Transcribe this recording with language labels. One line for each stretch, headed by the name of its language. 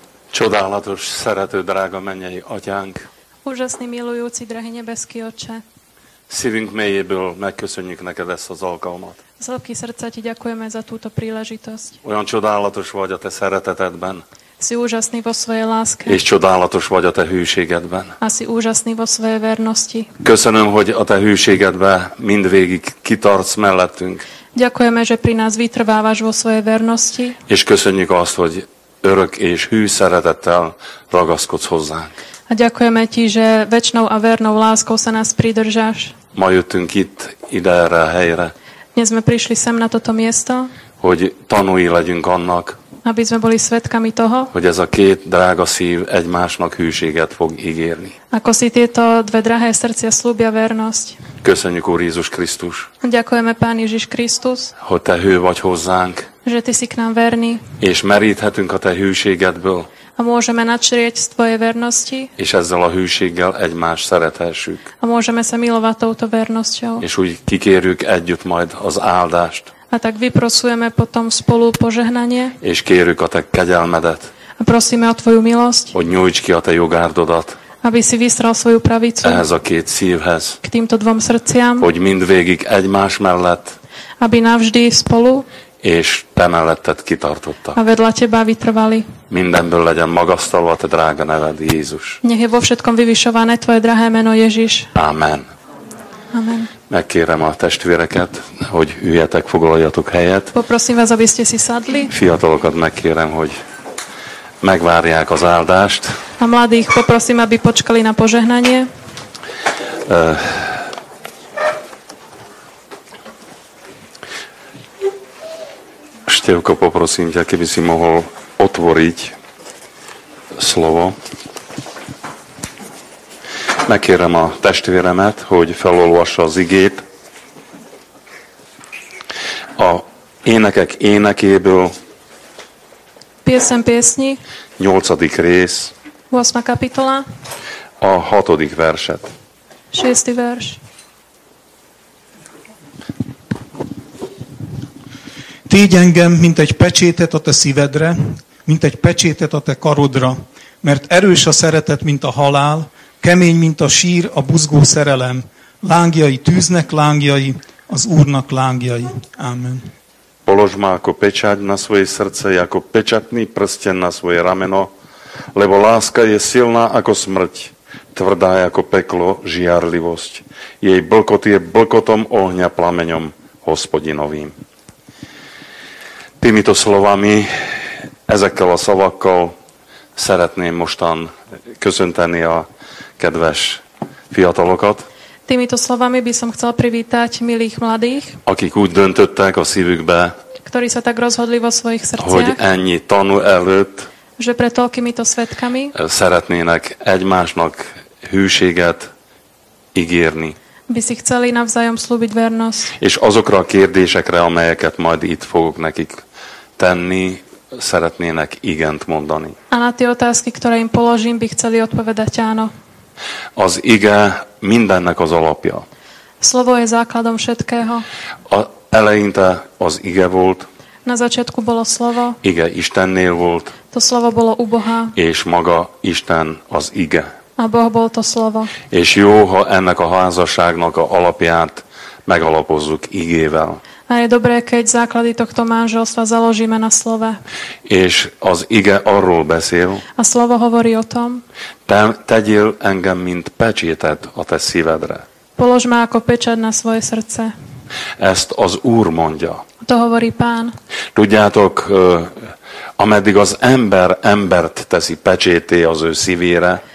Hungarian: Csodálatos, szerető, drága mennyei atyánk.
Slovak: Úžasný, milujúci, drahý nebeský Otče.
Hungarian: Szívünk mélyéből megköszönjük neked ezt az alkalmat.
Slovak: Z lelki srdca ti ďakujeme za túto príležitosť.
Hungarian: Olyan csodálatos vagy a te szeretetedben.
Slovak: Si úžasný vo svojej láske.
Hungarian: És csodálatos vagy a te hűségedben.
Slovak: A si úžasný vo svojej vernosti.
Hungarian: Köszönöm, hogy a te hűségedben mindvégig kitartsz mellettünk.
Slovak: Ďakujeme, že pri nás vytrvávaš vo svojej vernosti.
Hungarian: És köszönjük azt, hogy örök és hű szeretettel ragaszkodsz hozzánk.
Slovak: A ďakujeme ti, že večnou a vernou láskou sa nás pridržáš.
Hungarian: Ma jöttünk itt, ide erre a helyre.
Slovak: Dnes sme prišli sem na toto miesto.
Hungarian: Hogy tanúi legyünk annak.
Slovak: Aby sme boli svedkami toho.
Hungarian: Hogy ez a két drága szív egymásnak hűséget fog ígérni.
Slovak: Ako si tieto dve drahé srdcia slúbia vernosť.
Hungarian: Köszönjük, Úr Jézus Krisztus.
Slovak: Ďakujeme, Pán Ježiš Krisztus.
Hungarian: Hogy te hű vagy hozzánk.
Slovak: Že ty si k nám verný.
Hungarian: És meríthetünk a te hűségedből.
Slovak: A môžeme načrieť z tvojej vernosti.
Hungarian: És ezzel a hűséggel egymás szerethessük.
Slovak: A môžeme sa milovať touto vernosťou.
Hungarian: És úgy kikérjük együtt majd az áldást.
Slovak: A tak vyprosujeme potom spolu požehnanie.
Hungarian: És kérjük a te kegyelmedet.
Slovak: A prosíme o tvoju milosť.
Hungarian: Hogy nyújts ki a te jogárdodat.
Slovak: Aby si vystrel svoju pravicu.
Hungarian: Ehhez a két szívhez.
Slovak: K týmto dvom srdciam.
Hungarian: Hogy mindvégig egymás mellett.
Slovak: Aby navždy spolu.
Hungarian: És te melletted kitartottak.
Slovak: A vedľa teba vytrvali.
Hungarian: Mindenből legyen magasztalva te drága neved, Jézus.
Slovak: Nech je vo všetkom vyvyšované tvoje drahé meno, Ježiš.
Hungarian: Amen.
Slovak: Amen.
Hungarian: Megkérem a testvéreket, hogy üljetek, foglaljatok helyet.
Slovak: Poprosím vás, aby ste si sadli.
Hungarian: Fiatalokat megkérem, hogy megvárják az áldást.
Slovak: A mladých poprosím, aby počkali na požehnanie. Števko, poprosím ťa, keby si mohol otvoriť slovo.
Hungarian: Megkérem a testvéremet, hogy felolvassa az igét. A Énekek énekéből.
Slovak: Piesem piesni.
Hungarian: 8. rész.
Slovak: 8. kapitola.
Hungarian: A 6. verset. 6. vers. Tégy engem, mint egy pecsétet a te szívedre, mint egy pecsétet a te karodra, mert erős a szeretet, mint a halál, kemény, mint a sír, a buzgó szerelem. Lángjai tűznek lángjai, az Úrnak lángjai. Amen.
Slovak: Polož ma ako pečať na svoje srdce, ako pečatný prsten na svoje rameno, lebo láska je silná ako smrť, tvrdá ako peklo, žiarlivosť. Jej blkot je blkotom ohňa plameňom Hospodinovým. Týmito slovami,
Hungarian: ezekkel a szavakkal szeretném mostan köszönteni a kedves fiatalokat.
Slovak: Týmito slovami by som chcel privítať milých mladých,
Hungarian: akik úgy döntöttek a szívükbe,
Slovak: ktorí sa tak rozhodli vo svojich srdciach,
Hungarian: hogy ennyi tanú előtt,
Slovak: že pre toľkýmito svedkami
Hungarian: szeretnének egymásnak hűséget ígérni.
Slovak: By si chceli navzájom slúbiť vernosť.
Hungarian: És azokra a kérdésekre, amelyeket majd itt fogok nekik tenni, szeretnének igent mondani.
Slovak: A na tie otázky, ktoré im položím, by chceli odpovedať áno.
Hungarian: Az ige mindennek az alapja.
Slovak: Slovo je základom všetkého.
Hungarian: A eleinte az ige volt.
Slovak: Na začiatku bolo slovo.
Hungarian: Ige Istennél volt.
Slovak: To slovo bolo u Boha.
Hungarian: És maga Isten az ige.
Slovak: A Boh bol to slovo.
Hungarian: És jó, ha ennek a házasságnak a alapját megalapozzuk igével.
Slovak: A je dobré, keď základy tohto manželstva založíme na slove.
Hungarian: És az ige arról beszél.
Slovak: A slovo hovorí o tom.
Hungarian: Tegyél engem, mint pecsétet a te szívedre.
Slovak: Polož ma ako pečať na svoje srdce.
Hungarian: Ezt az Úr mondja.
Slovak: To hovorí Pán.
Hungarian: Tudjátok, ameddig az ember embert teszi pecsété az ő szívére,